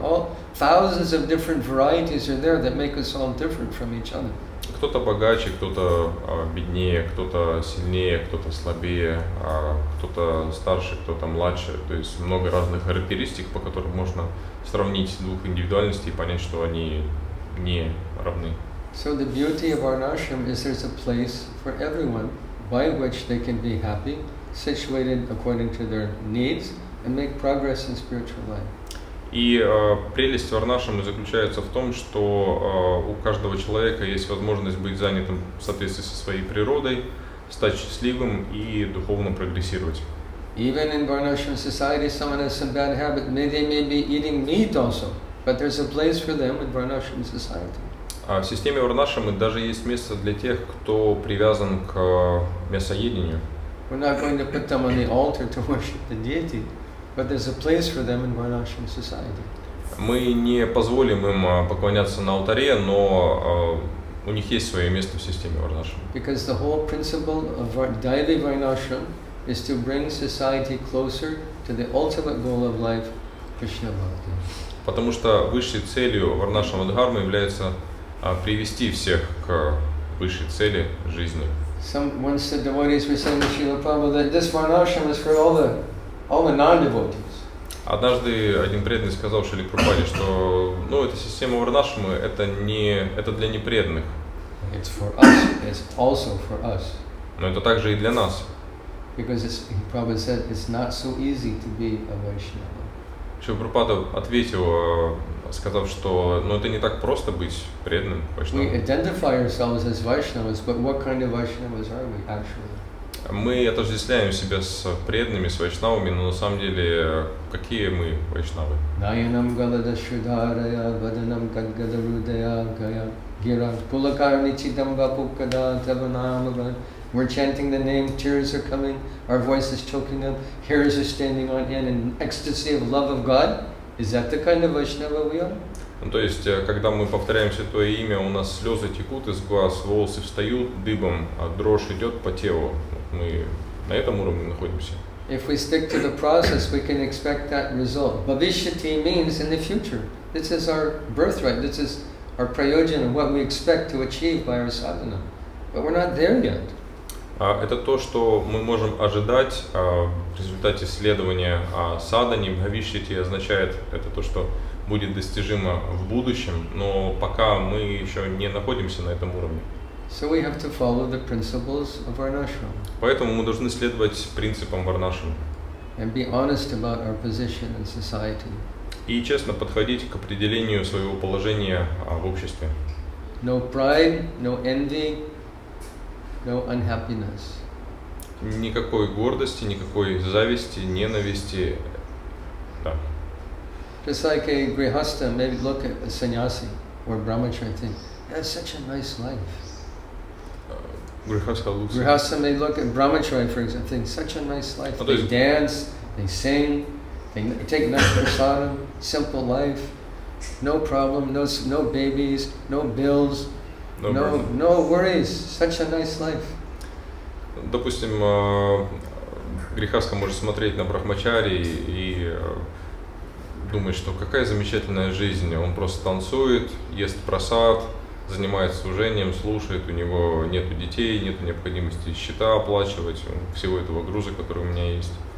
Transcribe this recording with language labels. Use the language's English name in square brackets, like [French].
[English] All thousands of different varieties are there that make us all different from each other. [Russian] Кто-то богаче, кто-то беднее, кто-то сильнее, кто-то слабее, кто-то старше, кто-то младше. То есть много разных характеристик, по которым можно сравнить двух индивидуальностей и понять, что они не равны. [English] So the beauty of Varnashram is there's a place for everyone by which they can be happy, situated according to their needs, and make progress in spiritual life. [Russian] И прелесть варнашрамы заключается в том, что у каждого человека есть возможность быть занятым в соответствии со своей природой, стать счастливым и духовно прогрессировать. [English] Even in varnashram society, someone has some bad habit. They may be eating meat also, but there's a place for them in varnashram society. [Russian] В системе варнашрамы даже есть место для тех, кто привязан к мясоедению. [English] We're not going to put them on the altar to worship the deity. But there's a place for them in Varnashram society. [Russian] Мы не позволим им поклоняться на алтаре, но у них есть свое место в системе Варнашрам. [English] Because the whole principle of Daily Varnashram is to bring society closer to the ultimate goal of life, Krishna Bhakti. [Russian] Потому что высшей целью Варнашрама Дхармы является привести всех к высшей цели жизни. [English] Some once the devotees were saying to Srila Prabhupada that this Varnashram is for all the all the non-devotees. [Russian] Однажды один преданный сказал Шриле Прабхупаде, что ну, эта система варнашрамы это для непреданных. [English] It's for us. It's also for us. [Russian] Но это также и для нас. [English] Because it's, he probably said, it's not so easy to be a Vaishnava. [Russian] Шрила Прабхупада ответил, сказав, что ну, это не так просто быть преданным. [English] We identify ourselves as Vaishnavas, but what kind of Vaishnavas are we actually? [Russian] Мы отождествляем себя с преданными, с вайшнавами, но на самом деле, какие мы вайшнавы? [Sanskrit] Наянам галадашударая, баданам кадгадарудая, гая, гира, пулакар нитидам бапукада, таванамага. [English] We're chanting the name, tears are coming, our voice is choking up, hairs are standing on end, in ecstasy of love of God. Is that the kind of Vaishnava we are? [Russian] То есть, когда мы повторяем святое имя, у нас слезы текут из глаз, волосы встают дыбом, а дрожь идет по телу. Мы на этом уровне находимся. [English] If we stick to the process, we can expect that result. Bhavishyati means in the future. This is our birthright. This is our prayojana, what we expect to achieve by our sadhana. But we're not there yet. [Russian] Это то, что мы можем ожидать в результате следования садхане. Бхавишьяти означает это то, что будет достижимо в будущем, но пока мы еще не находимся на этом уровне. [English] So we have to follow the principles of Varnashram. [Russian] Поэтому мы должны следовать принципам Варнашрама. [English] And be honest about our position in society. [Russian] И честно подходить к определению своего положения в обществе. [English] No pride, no envy, no unhappiness. [Russian] Никакой гордости, никакой зависти, ненависти. Да. [English] Just like a grihastha, maybe look at a sannyasi or a brahmachari and think, that's such a nice life. Grihastha may look at brahmachari, for example, and think, such a nice life. They dance, they sing, they take nice prasadam, simple life, no problem, no babies, no bills, no worries, such a nice life. [Russian] Допустим, грихастха может смотреть на брахмачари и думает, что какая замечательная жизнь, он просто танцует, ест просад, занимается служением, слушает, у него нет детей, нет необходимости счета оплачивать, всего этого груза, который у меня есть.